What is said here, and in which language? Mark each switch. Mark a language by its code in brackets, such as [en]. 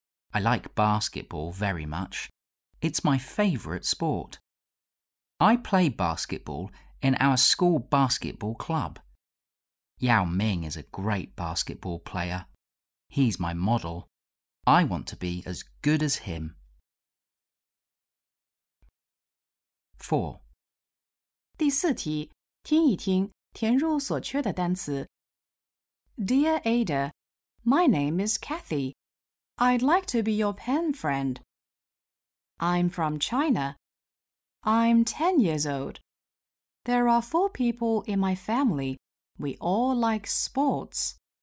[en] I like basketball very much. It's my favorite sport. I play basketball in our school basketball club. Yao Ming is a great basketball player. He's my model. I want to be as good as him. 4. [zh] 第四题，听一听，填入所缺的单词。 [en] Dear Ada, my name is Kathy. I'd like to be your pen friend. I'm from China. I'm 10 years old. There are 4 people in my family. We all like sports.